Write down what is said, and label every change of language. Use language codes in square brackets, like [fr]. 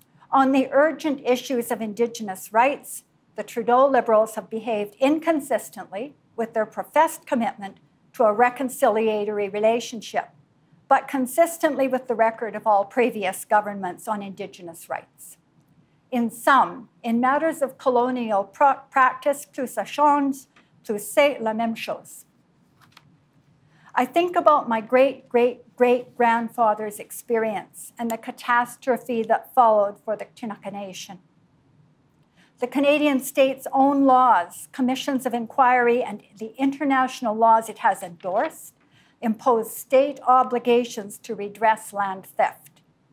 [en] On the urgent issues of Indigenous rights, the Trudeau Liberals have behaved inconsistently with their professed commitment to a reconciliatory relationship, but consistently with the record of all previous governments on Indigenous rights. In sum, in matters of colonial practice, [fr] plus ça change, plus c'est la même chose. [en] I think about my great-great-great-grandfather's experience and the catastrophe that followed for the Tinica Nation. The Canadian state's own laws, commissions of inquiry, and the international laws it has endorsed impose state obligations to redress land theft.